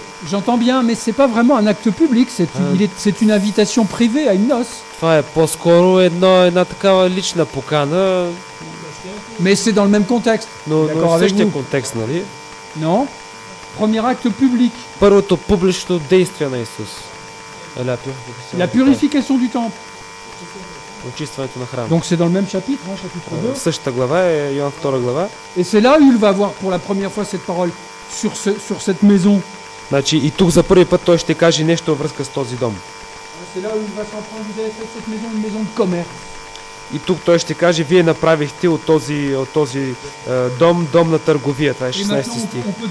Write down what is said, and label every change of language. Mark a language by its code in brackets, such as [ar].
[fr] J'entends bien, mais c'est pas vraiment un acte public. C'est une invitation privée à une noce. [bg] Това е по-скоро една такава лична покана. [fr] Mais c'est dans le même contexte. [bg] Но в същия контекст, нали? [fr] Non. Premier acte public. [bg] Първото публично действие на Исус. [fr] La purification du temple. [bg] Очистването на храма. [fr] Donc c'est dans le même chapitre, hein, chapitre 2. [bg] Същата глава е Йоан 2 глава. [fr] Et c'est là où il va avoir pour la première fois cette parole sur cette maison. [bg] Значи и тук за първи път той ще каже нещо във връзка с този дом. [fr] C'est là où il va s'en prendre vis-à-vis de cette maison, une maison de commerce. [bg] И тук той ще каже: вие направихте от този дом на търговия. Това е 16 стих.